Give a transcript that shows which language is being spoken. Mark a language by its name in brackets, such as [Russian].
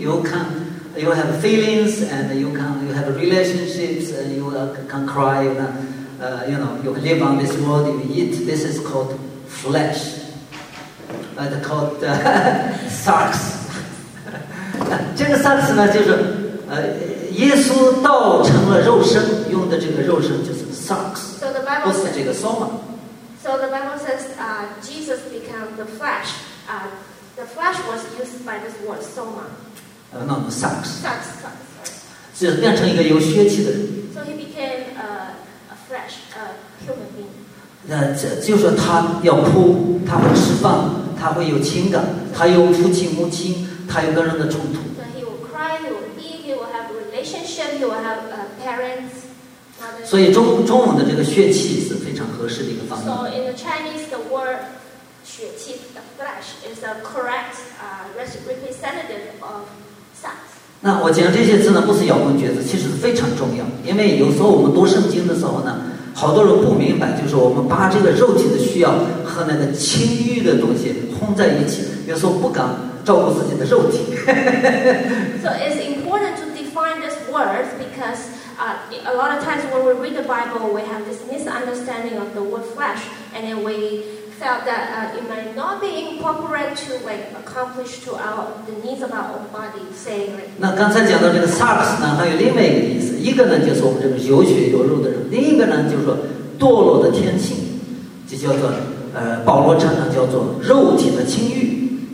[English] You have feelings, and you have relationships, and you can cry, you live on this world, you eat. This is called flesh. called socks. [Chinese] 这个 socks 呢，就是耶稣道成了肉身，用的这个肉身就是 socks， 不是这个 soma。 [English] So the Bible says, Jesus became the flesh. The flesh was used by this word soma. Socks. Socks. [Chinese] 就变成一个有血气的人。 [English] So he became a flesh, a human being. [Chinese] 那这就是他要哭，他会释放，他会有情感，他有父亲母亲，他有跟人的冲突。 [English] So he will cry, he will be, he will have relationship, he will have parents. [Chinese] 所以中文的这个血气是非常合适的一个方言。 [English] So in the Chinese, the word [Chinese] 血气 [English] the flesh is a correct representative of sex. [Chinese] 那我讲这些字呢，不是咬文嚼字，其实非常重要。因为有时候我们读圣经的时候呢，好多人不明白，就是我们把这个肉体的需要和那个情欲的东西混在一起，有时候不敢照顾自己的肉体。 [English] So it's important to define this word because a lot of times when we read the Bible, we have this misunderstanding of the word flesh, and then we felt that it might not be incorporate to like accomplish to our the needs of our own body. Say like. [Chinese] 那刚才讲到这个 sucks 呢，还有另外一个意思，一个呢就是我们这个有血有肉的人，另一个呢就是说堕落的天性，就叫做保罗常常叫做肉体的情欲。